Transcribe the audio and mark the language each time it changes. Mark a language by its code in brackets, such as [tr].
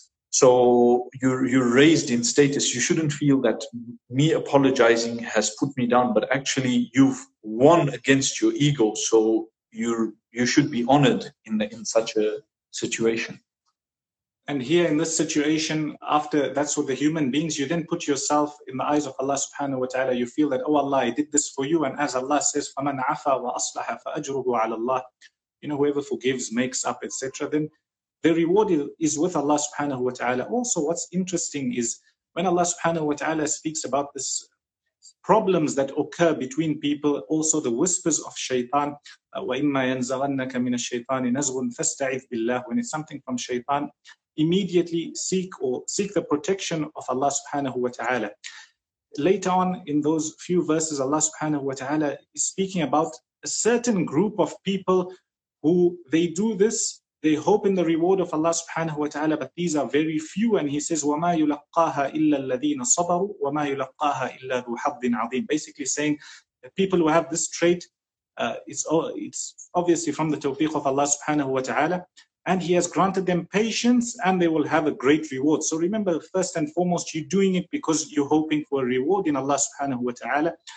[en] So you're raised in status. You shouldn't feel that me apologizing has put me down, but actually you've won against your ego. So you should be honored in such a situation. And here in this situation, after that's with the human beings, you then put yourself in the eyes of Allah subhanahu wa ta'ala. You feel that, oh Allah, I did this for you. And as Allah says, [ar] فَمَنْ عَفَى وَأَصْلَحَ فَأَجْرُهُ عَلَى اللَّهِ. [en] You know, whoever forgives, makes up, etc. Then the reward is with Allah subhanahu wa ta'ala. Also, what's interesting is when Allah subhanahu wa ta'ala speaks about this problems that occur between people, also the whispers of shaytan, [ar] وَإِمَّا يَنْزَغَنَّكَ مِنَ الشَّيْطَانِ نَزْغٌ فَاسْتَعِذْ بِاللَّهِ. [en] When it's something from shaytan, immediately seek the protection of Allah subhanahu wa ta'ala. Later on in those few verses, Allah subhanahu wa ta'ala is speaking about a certain group of people who they do this, they hope in the reward of Allah subhanahu wa ta'ala, but these are very few. And he says, [ar] وَمَا يُلَقَّاهَا إِلَّا الَّذِينَ صَبَرُوا وَمَا يُلَقَّاهَا إِلَّا ذُو حَظٍ عَظِيمٍ. [en] Basically saying that people who have this trait, it's obviously from the tawfiq of Allah subhanahu wa ta'ala. And he has granted them patience and they will have a great reward. So remember, first and foremost, you're doing it because you're hoping for a reward in Allah subhanahu wa ta'ala.